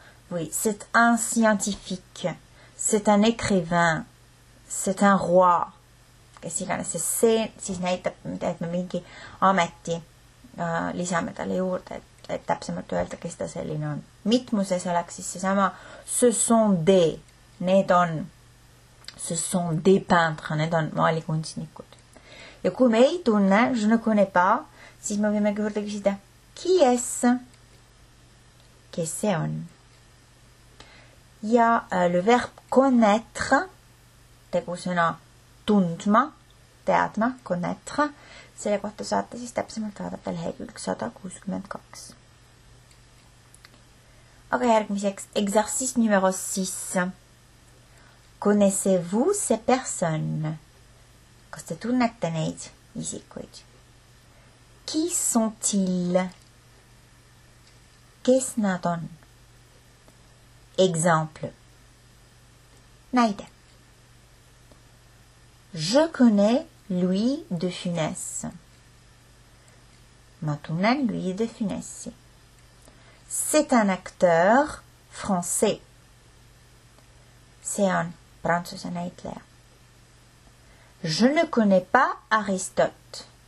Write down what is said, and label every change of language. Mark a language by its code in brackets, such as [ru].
[fr] Oui, c'est un scientifique. C'est un écrivain. C'est un roi. [et] Kes iganes. See siis näitab, et me mingi ameti lisame talle juurde, et täpsemalt öelda, kes ta selline on. Mitmuses oleks siis see sama [fr] ce sont des. [et] Need on [fr] ce sont des peintres. [et] Need on maalikunstnikud. Ja kui me ei tunne, [fr] je ne connais pas, [et] siis me võime juurde küsida, [fr] qui est? [et] Kes see on? Ja [fr] le verbe connaître, [et] tegu sõna tundma, teadma, connaître, selle kohta saate siis täpsemalt vaadata lehekülg 162. Aga järgmiseks, [fr] exercice numéro 6. Connaissez-vous ces personnes? [et] Kas te tunnete neid isikuid? [fr] Qui sont-ils? [et] Kes nad on? Exemple. Näide. [fr] Je connais Louis de Funès. [et] Ma tunnen Louis de Funès. [fr] C'est un acteur français. C'est un [et] prantsuse näitleja. [fr] Je ne connais pas Aristote.